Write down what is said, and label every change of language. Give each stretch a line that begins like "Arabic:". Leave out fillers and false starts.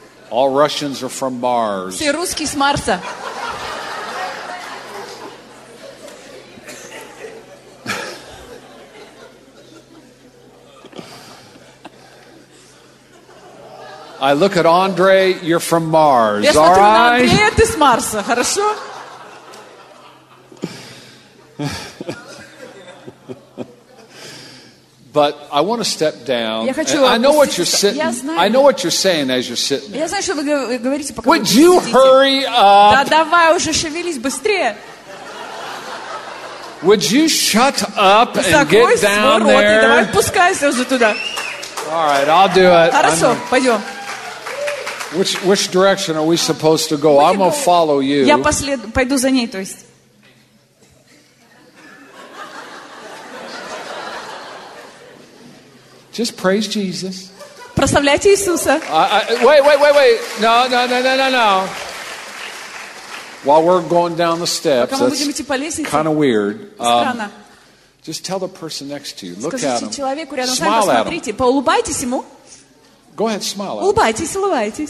English: All Russians are from Mars.
Russian: Все русские с Марса.
English: I look at Andre, you're from Mars.
Russian: Я смотрю на Андрея, ты с Марса, хорошо?
English: But I want to step down.
Russian: Я хочу
English: I know what you're sitting. I know what you're saying as you're sitting.
Russian: Я знаю, что вы говорите, пока.
English: Would you hurry up?
Russian: Да давай уже шевелись быстрее.
English: Would you shut up and get down there?
Russian: Закрой свой рот, спускайся уже туда.
English: All right, I'll do it.
Russian: Хорошо, пойдем.
English: Which direction are we supposed to go? I'm gonna follow you.
Russian: Я пойду за ней, то есть.
English: Just praise Jesus.
Russian: Прославляйте Иисуса.
English: Wait. No. While we're going down the steps, that's kind of weird. Just tell the person next to you. Look
Russian: Скажите
English: at him.
Russian: Человеку рядом смайл с вами, посмотрите, поулыбайтесь ему.
English: Go ahead, smile.
Russian: Улыбайтесь, улыбайтесь.